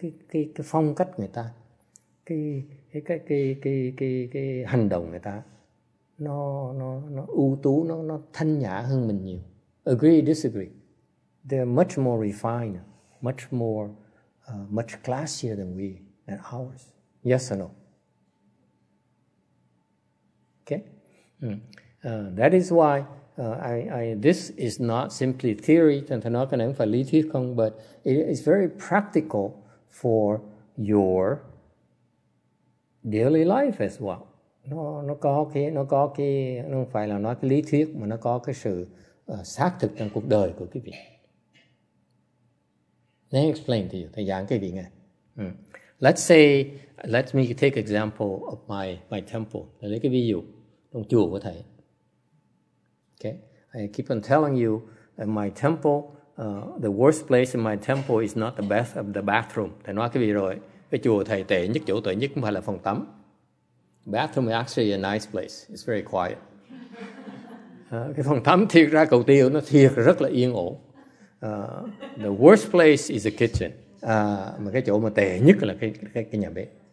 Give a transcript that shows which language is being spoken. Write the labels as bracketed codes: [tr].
[vi] Cái phong cách người ta, cái hành động người ta, nó ưu tú, nó thanh nhã hơn mình nhiều. [en] Agree, disagree. They're much more refined, much more, much classier than we and ours. Yes or no? Okay. Mm. That is why I this is not simply theory. But it is very practical for your daily life as well. [vi] Nó phải là nói cái lý thuyết mà nó có cái sự xác thực trong cuộc đời của quý vị. [en] Let me explain to you. [vi] Thầy giảng cái gì nghe. [en] Let's say, let me take example of my temple. [vi] Là lấy cái ví dụ trong chùa của thầy. [en] Okay. I keep on telling you that my temple, the worst place in my temple is not the best of the bathroom. [vi] Thầy nói cái gì rồi. Cái chùa thầy tệ nhất, chỗ tệ nhất không phải là phòng tắm. [en] Bathroom is actually a nice place. It's very quiet. [vi] Cái phòng tắm thiệt ra cầu tiêu nó thiệt rất là yên ổn. [en] The worst place is the kitchen. [vi] Mà cái chỗ mà tệ nhất là cái nhà bếp.